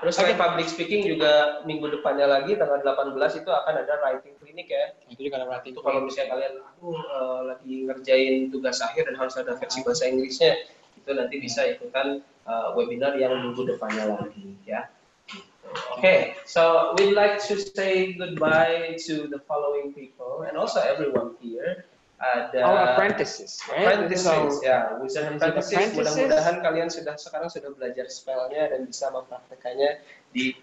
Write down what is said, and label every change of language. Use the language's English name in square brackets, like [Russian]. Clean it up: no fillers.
[Indonesian] Terus kayak public speaking juga minggu depannya lagi tanggal 18 itu akan ada writing clinic ya. Itu juga ada writing. Itu kalau misalnya kalian lagi ngerjain tugas akhir dan harus ada versi bahasa Inggrisnya, itu nanti bisa ikutan webinar yang minggu depannya lagi ya. Oke, okay. [English] So we'd like to say goodbye to the following people and also everyone here. All apprentices, right? Apprentices, ya. Wizard apprentices. [Indonesian] Mudah-mudahan kalian sudah sekarang sudah belajar spellnya dan bisa mempraktekannya di